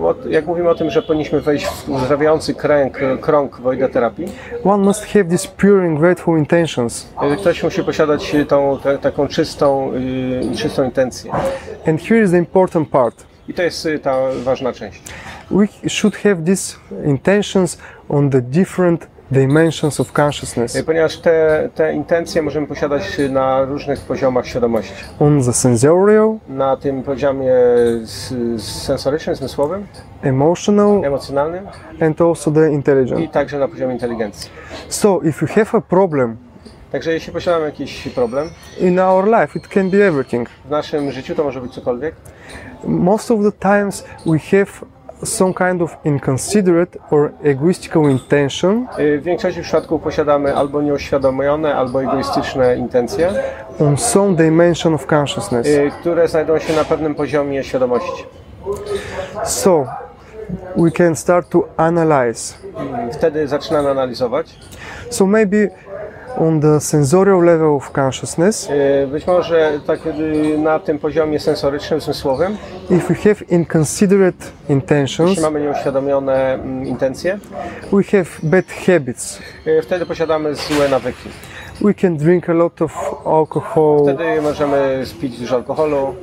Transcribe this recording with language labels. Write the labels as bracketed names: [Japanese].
[Polish] Jak mówimy o tym, że powinniśmy wejść w uzdrawiający krąg w Oida Therapy. [English] One must have these pure and grateful intentions. [Polish] Ktoś musi posiadać taką czystą intencję. [English] And here is the important part. [Polish] I to jest ta ważna część. [English] We should have these intentions on the different dimensions of consciousness. [Polish] Ponieważ te intencje możemy posiadać na różnych poziomach świadomości. [English] On the sensorial. [Polish] Na tym poziomie sensorycznym, zmysłowym. [English] Emotional. [Polish] Emocjonalnym. [English] And also the intelligent. [Polish] I także na poziomie inteligencji. [English] So if you have a problem. [Polish] Także jeśli posiadamy jakiś problem. [English] In our life it can be everything. [Polish] W naszym życiu to może być cokolwiek. [English] Most of the times we have some kind of inconsiderate or egoistical intention. [Polish] W większości przypadków posiadamy albo nieuświadomione, albo egoistyczne intencje. [English] On some dimension of consciousness. [Polish] Które znajdą się na pewnym poziomie świadomości. [English] So, we can start to analyze. [Polish] Wtedy zaczynamy analizować. [English] So maybe on the sensorial level of consciousness. [Polish] Być może tak na tym poziomie sensorycznym, zmysłowym. [English] If we have inconsiderate intentions. [Polish] Jeśli mamy nieuświadomione intencje. [English] We have bad habits. [Polish] Wtedy posiadamy złe nawyki. [English] We can drink a lot of alcohol. [Polish] Wtedy możemy spić dużo alkoholu.